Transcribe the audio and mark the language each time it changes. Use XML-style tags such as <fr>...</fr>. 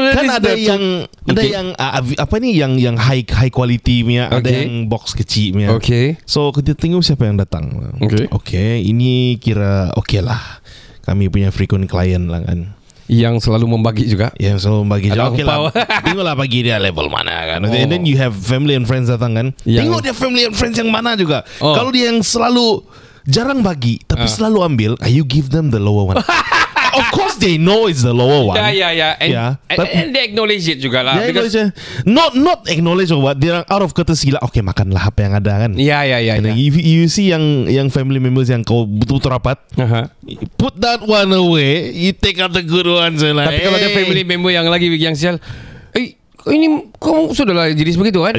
<ms>kan ada yang ada yang apa ni yang high quality punya, ada yang box kecil punya. Okay. So kita tengok siapa yang datang. Okay. Ini kira okay lah. Kami punya frequent client lah kan. Yang selalu membagi juga. Yang selalu membagi juga. Okay lah. Tengok lah bagi dia level mana kan. Oh.</ms> <en>And then you have family and friends</en> <ms>datang kan. Yang tengok dia</ms> <en>family and friends</en> <ms>yang mana juga. Oh. Kalau dia yang selalu jarang bagi tapi selalu ambil,</ms> <en>you give them the lower one. Of course they know it's the lower one. And they acknowledge it</en> <ms>juga lah.</ms> <en>Not acknowledge or what. They're out of courtesy lah.</en> <ms>Okay, makanlah apa yang ada kan. Yeah.</ms> <en>If you see yang family members</en> <ms>yang kau betul-betul rapat,</ms> <en>put that one away. You take out the good ones. And</en> <ms>tapi kalau ada family member yang lagi yang sial, ini kau sudah lah jenis begitu kan.</ms>